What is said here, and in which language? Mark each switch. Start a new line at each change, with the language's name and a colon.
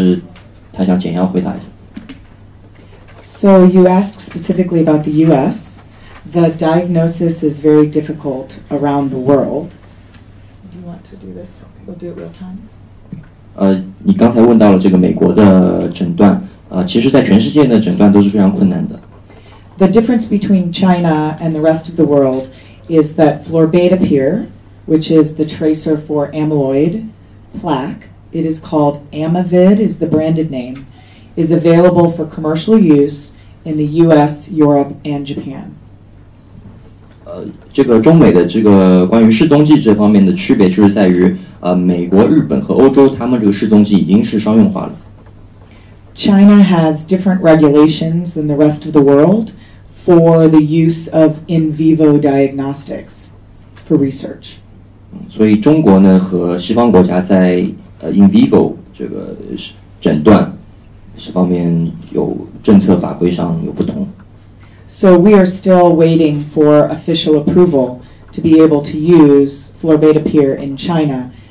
English: I have no idea what he said, but how about if I just answer? I'm worried about time, so I'll just answer very specific. So you asked specifically about the U.S. The diagnosis is very difficult around the world. Do you want to do this? We'll do it real time.
Chinese: 你刚才问到了这个美国的诊断，其实在全世界的诊断都是非常困难的。
English: The difference between China and the rest of the world is that florbetapir, which is the tracer for amyloid plaque, it is called Amyvid, is the branded name, is available for commercial use in the US, Europe, and Japan.
Chinese: 这个中美的这个关于示踪剂这方面的区别就是在于美国、日本和欧洲他们这个示踪剂已经是商用化了。
English: China has different regulations than the rest of the world for the use of in vivo diagnostics for research.
Chinese: 所以中国呢和西方国家在in vivo 这个诊断这方面有政策法规上有不同。
English: So we are still waiting for official approval to be able to use florbetapir in China.